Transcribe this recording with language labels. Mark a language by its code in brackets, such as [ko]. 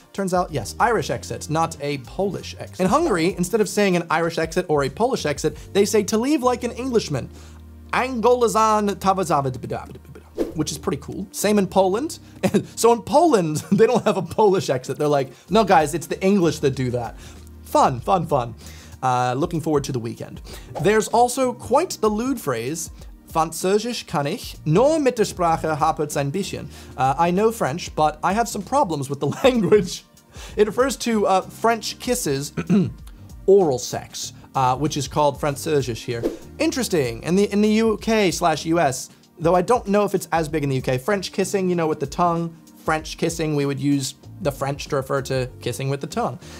[en] Turns out, yes, Irish exit, not a Polish exit. In Hungary, instead of saying an Irish exit or a Polish exit, they say to leave like an Englishman. Angolazan tavazavadabadabadabada, which is pretty cool. Same in Poland. So in Poland, they don't have a Polish exit. They're like, no guys, it's the English that do that. Fun, fun, fun. Looking forward to the weekend. There's also quite the lewd phrase, [de] Französisch kann ich, nur mit der Sprache hapert's ein bisschen. [en] I know French, but I have some problems with the language. It refers to French kisses, oral sex, which is called Französisch here. Interesting, in the UK slash US, though I don't know if it's as big in the UK, French kissing, you know, with the tongue, French kissing, we would use the French to refer to kissing with the tongue.